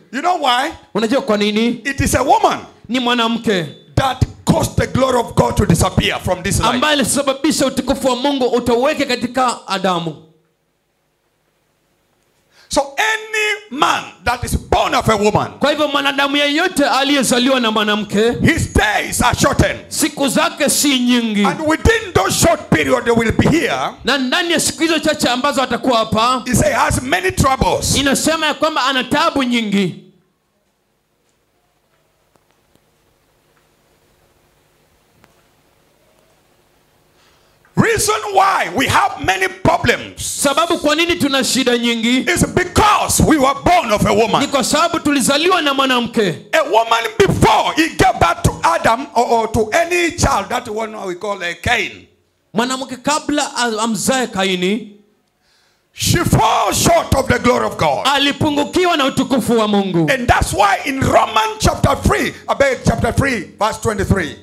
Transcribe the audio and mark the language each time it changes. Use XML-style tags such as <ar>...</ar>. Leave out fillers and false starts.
<en>You know why?</en> <sw>Unajua kwa nini?</sw> <en>It is a woman.</en> <sw>Ni mwanamke.</sw> <en>That caused the glory of God to disappear from this life.</en> <sw>Ambaye alisababisha utukufu wa Mungu utoweke katika Adamu.</sw> <en>So any man that is born of a woman.</en> <sw>Kwa hivyo mwanadamu yeyote aliyezaliwa na mwanamke.</sw> <en>His days are shortened.</en> <sw>Siku zake si nyingi.</sw> <en>And within those short period they will be here.</en> <sw>Na ndani ya siku hizo chache ambazo atakuwa hapa.</sw> <en>He say has many troubles.</en> <sw>Inasema ya kwamba ana taabu nyingi.</sw> <en>Reason why we have many problems.</en> <sw>Sababu kwa nini tuna shida nyingi?</sw> <en>It's because we were born of a woman.</en> <sw>Ni kwa sababu tulizaliwa na mwanamke.</sw> <en>A woman before he gave birth to Adam or to any child, that one we call a Cain.</en> <sw>Mwanamke kabla amzae Kaini,</sw> <en>she fell short of the glory of God.</en> <sw>Alipungukiwa na utukufu wa Mungu.</sw> <en>And that's why in Romans chapter 3, Abel chapter 3, verse 23.</en>